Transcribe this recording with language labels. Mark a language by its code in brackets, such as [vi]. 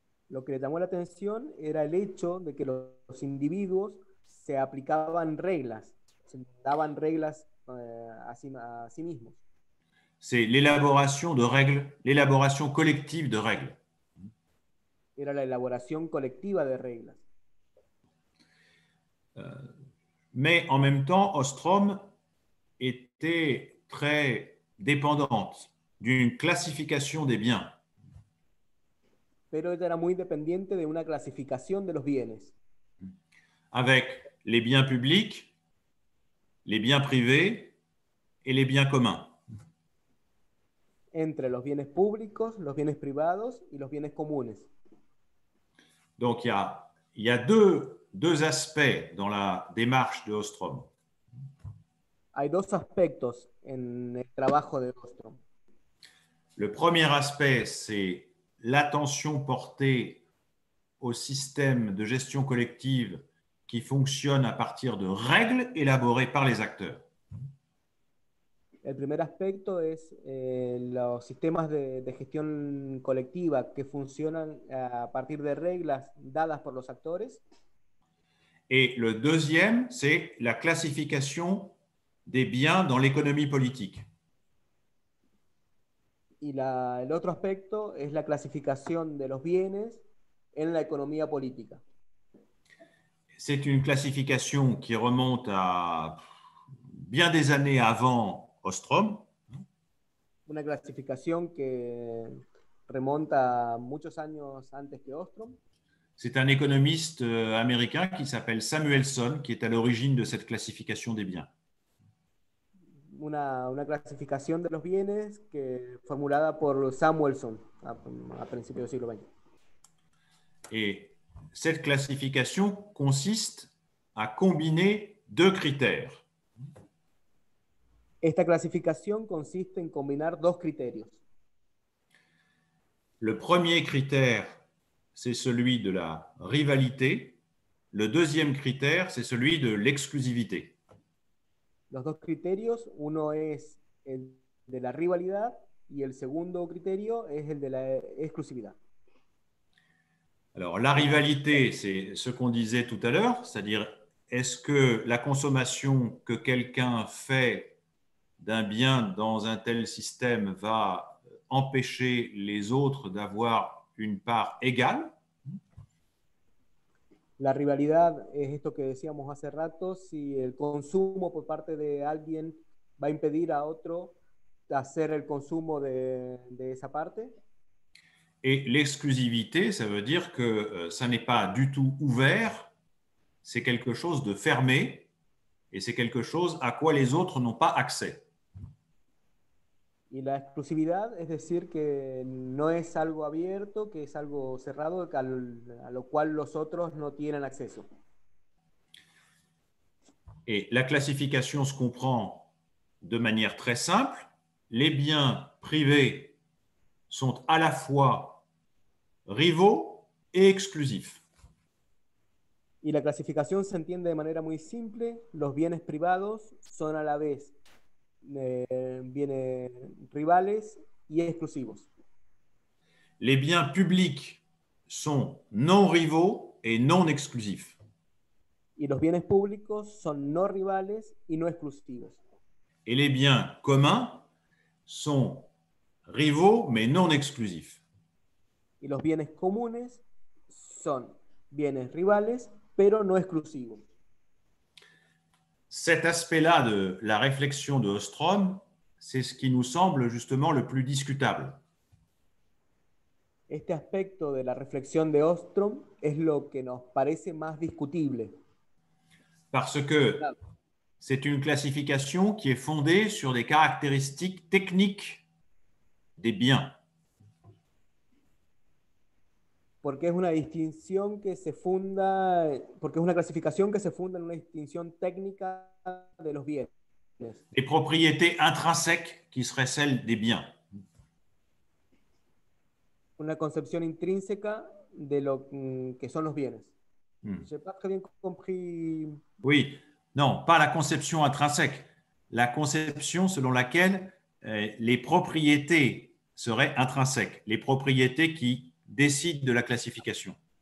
[es] Lo que le llamó la atención era el hecho de que los individuos se aplicaban reglas, se daban reglas a sí mismos. [fr] C'est l'élaboration de règles, l'élaboration collective de règles. [es] Era la elaboración colectiva de reglas. [fr] Mais en même temps, Ostrom était très dépendante d'une classification des biens. [es] Pero ella era muy dependiente de una clasificación de los bienes. [fr] Avec les biens publics, les biens privés et les biens communs. [es] Entre los bienes públicos, los bienes privados y los bienes comunes. [fr] Donc il y a deux aspects dans la démarche de Ostrom. [es] Hay dos aspectos en el trabajo de Ostrom. [fr] Le premier aspect, c'est l'attention portée au système de gestion collective qui fonctionne à partir de règles élaborées par les acteurs. [es] El primer aspecto es los sistemas de gestión colectiva que funcionan a partir de reglas dadas por los actores. [fr] Et le deuxième, c'est la classification des biens dans l'économie politique. [es] Y el otro aspecto es la clasificación de los bienes en la economía política. [fr] C'est une classification qui remonte à bien des années avant Ostrom. [es] Una clasificación que remonta muchos años antes que Ostrom. [fr] C'est un économiste américain qui s'appelle Samuelson qui est à l'origine de cette classification des biens. [es] Una clasificación de los bienes que formulada por Samuelson a principios del siglo XX. [fr] Et cette classification consiste à combiner deux critères. [es] Esta clasificación consiste en combinar dos criterios. [fr] Le premier critère, c'est celui de la rivalité. Le deuxième critère, c'est celui de l'exclusivité. [es] Los dos criterios, uno es el de la rivalidad y el segundo criterio es el de la exclusividad. [fr] Alors, la rivalité, c'est ce qu'on disait tout à l'heure, c'est-à-dire, est-ce que la consommation que quelqu'un fait d'un bien dans un tel système va empêcher les autres d'avoir une part égale? [es] la rivalidad es esto que decíamos hace rato, si el consumo por parte de alguien va a impedir a otro hacer el consumo de esa parte. [fr] Et l'exclusivité, ça veut dire que ça n'est pas du tout ouvert, c'est quelque chose de fermé, et c'est quelque chose à quoi les autres n'ont pas accès. [es] Y la exclusividad, es decir, que no es algo abierto, que es algo cerrado, a lo cual los otros no tienen acceso. [fr] Et la classification se comprend de manière très simple. Les biens privés sont à la fois rivaux et exclusifs. [es] Y la clasificación se entiende de manera muy simple. Los bienes privados son a la vez bienes rivales y exclusivos. [fr] Les biens publics sont non rivaux et non exclusifs. [es] Y los bienes públicos son no rivales y no exclusivos. [fr] Et les biens communs sont rivaux mais non exclusifs. [es] Y los bienes comunes son bienes rivales pero no exclusivos. [fr] Cet aspect-là de la réflexion de Ostrom, c'est ce qui nous semble justement le plus discutable. [es] Este aspecto de la reflexión de Ostrom es lo que nos parece más discutible. [fr] Parce que c'est une classification qui est fondée sur des caractéristiques techniques des biens. [es] Porque es una distinción que se funda, porque es una clasificación que se funda en una distinción técnica de los bienes. [fr] Des propriétés intrinsèques qui seraient celles des biens. [es] Una concepción intrínseca de lo que son los bienes. [fr] Je n'ai pas très bien compris. Oui. Non, pas la conception intrinsèque, la conception selon laquelle les propriétés seraient intrinsèques, les propriétés qui décident de la classification.